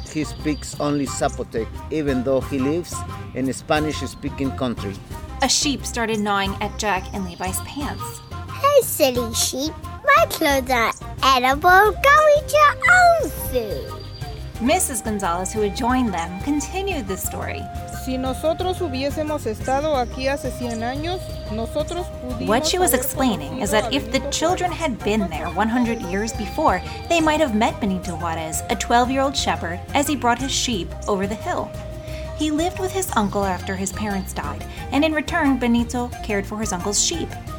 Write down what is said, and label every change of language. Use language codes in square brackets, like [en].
[en] He speaks only Zapotec, even though he lives in a Spanish-speaking country. A sheep started gnawing at Jack and Levi's pants. Hey, silly sheep. My clothes are edible. Go eat your own food. Mrs. Gonzalez, who had joined them, continued the story. [es] Si nosotros hubiésemos estado aquí hace 100 años, nosotros pudimos. [en] What she was explaining is that if the children had been there 100 years before, they might have met Benito Juarez, a 12-year-old shepherd, as he brought his sheep over the hill. He lived with his uncle after his parents died, and in return, Benito cared for his uncle's sheep.